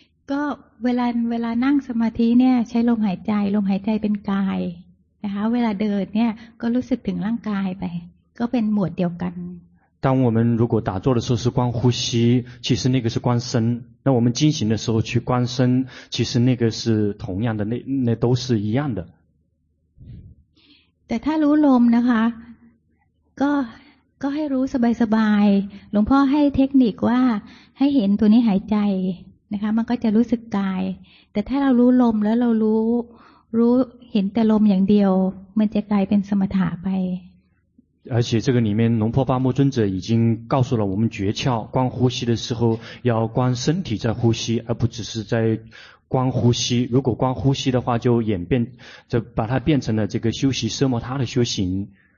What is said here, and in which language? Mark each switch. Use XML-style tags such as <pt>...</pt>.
<th>ก็เวลานั่งสมาธิเนี่ยใช้ลมหายใจลมหายใจเป็นกายนะคะเวลาเดินเนี่ยก็รู้สึกถึงร่างกายไป ก็เป็นหมวดเดียวกัน</th> <zh>当我们如果打坐的时候是观呼吸，其实那个是观身；那我们进行的时候去观身，其实那个是同样的，那都是一样的。</zh> <th>แต่ถ้ารู้ลมนะคะก็ให้รู้สบายๆหลวงพ่อให้เทคนิคว่าให้เห็นตัวนี้หายใจนะคะมันก็จะรู้สึกกายแต่ถ้าเรารู้ลมแล้วเรารู้เห็นแต่ลมอย่างเดียวมันจะกลายเป็นสมถะไป</th> <zh>而且这个里面龙婆巴木尊者已经告诉了我们诀窍观呼吸的时候要观身体在呼吸而不只是在观呼吸如果观呼吸的话就演变就把它变成了这个修习奢摩他的修行</zh>